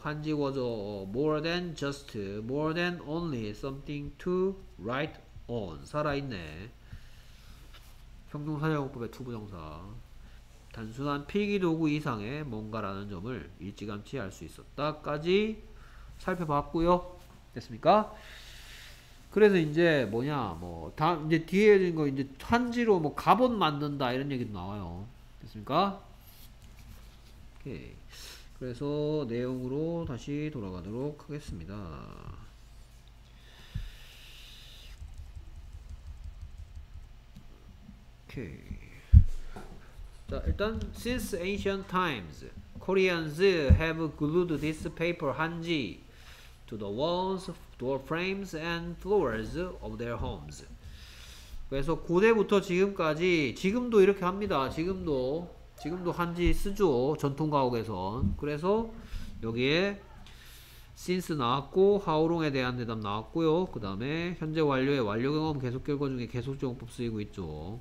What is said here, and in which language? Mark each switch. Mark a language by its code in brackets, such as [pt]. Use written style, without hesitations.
[en] 한지 was more than just, more than only something to write on. [ko] 살아있네. 형용사용법의 투부정사. 단순한 필기도구 이상의 뭔가라는 점을 일찌감치 알 수 있었다까지 살펴봤고요. 됐습니까? 그래서 이제 뭐냐, 뭐 다 이제 뒤에 있는 거 이제 한지로 뭐 갑옷 만든다 이런 얘기도 나와요. 됐습니까? 오케이. 그래서 내용으로 다시 돌아가도록 하겠습니다. 오케이. 자, 일단 [en] since ancient times Koreans have glued this paper 한지 to the walls, door frames, and floors of their homes. [ko] 그래서 고대부터 지금까지 지금도 이렇게 합니다. 지금도 한지 쓰죠. 전통 가옥에선. 그래서 여기에 since 나왔고 how long에 대한 대답 나왔고요. 그 다음에 현재 완료의 완료 경험 계속 결과 중에 계속적용법 쓰이고 있죠.